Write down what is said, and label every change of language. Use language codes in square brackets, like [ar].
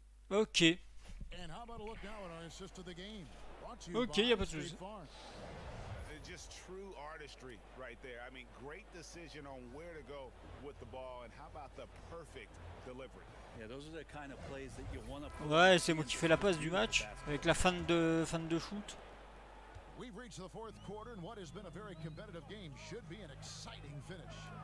[en] OK. And how about a look now at our assist of the game? Brought to you okay, by yeah, State Farm. Just true artistry right there. I mean, great decision on where to go with the ball, and how about the perfect delivery? Yeah, those are the kind of plays that you want to play. [fr] Ouais, c'est moi qui fais la passe du match avec la fin de shoot. [en] We've reached the fourth quarter, and what has been a very competitive game should be an exciting finish.